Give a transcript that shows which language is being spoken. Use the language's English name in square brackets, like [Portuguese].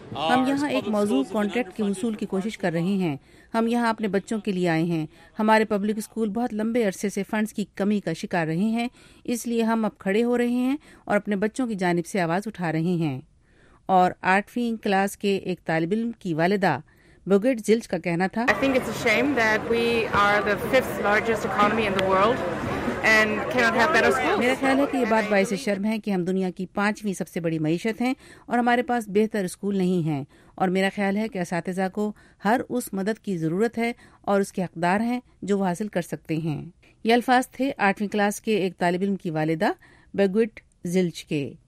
[Urdu] ہم یہاں ایک موضوع کانٹریکٹ کے حصول کی کوشش کر رہے ہیں، ہم یہاں اپنے بچوں کے لیے آئے ہیں، ہمارے پبلک اسکول بہت لمبے عرصے سے فنڈز کی کمی کا شکار رہے ہیں، اس لیے ہم اب کھڑے ہو رہے ہیں اور اپنے بچوں کی جانب سے آواز اٹھا رہے ہیں۔ اور 8ویں کلاس کے ایک طالب علم کی والدہ بوگٹ زلچ کا کہنا تھا: [English] I think it's a shame that we are the 5th largest economy in the world and cannot have better schools. [Urdu] میرا خیال ہے کہ یہ بات باعث شرم ہے کہ ہم دنیا کی 5ویں سب سے بڑی معیشت ہیں اور ہمارے پاس بہتر اسکول نہیں ہیں، اور میرا خیال ہے کہ اساتذہ کو ہر اس مدد کی ضرورت ہے اور اس کے حقدار ہیں جو وہ حاصل کر سکتے ہیں۔ یہ الفاظ تھے 8ویں کلاس کے ایک طالب علم کی والدہ بوگٹ زلچ کے۔